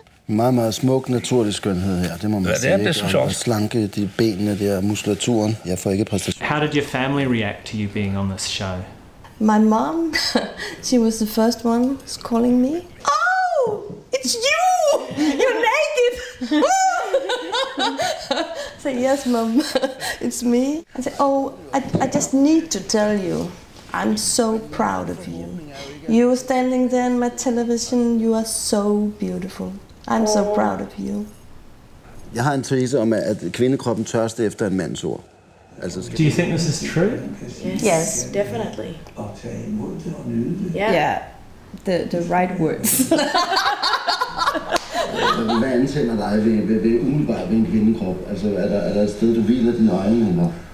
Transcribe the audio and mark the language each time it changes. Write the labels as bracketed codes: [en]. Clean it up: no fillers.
[da] Meget, meget smuk naturlig skønhed her, det må man sige. Det er så sjovt. Slanke de benene der, muskulaturen. Jeg får ikke præstation. [en] How did your family react to you being on this show? My mom, she was the first one calling me. Oh, it's you! You're naked! I say, yes, mom, it's me. I say, oh, I just need to tell you, I'm so proud of you. You were standing there on my television, you are so beautiful. I'm so proud of you. [da] Jeg har en tese om, at kvindekroppen tørste efter en mands ord. [en] Do you think this is true? Yes, definitely. Yeah, the right words. [da] Hvad antænder dig ved umiddelbart ved en kvindekrop? Altså, er der et sted, du hviler dine øjne, eller?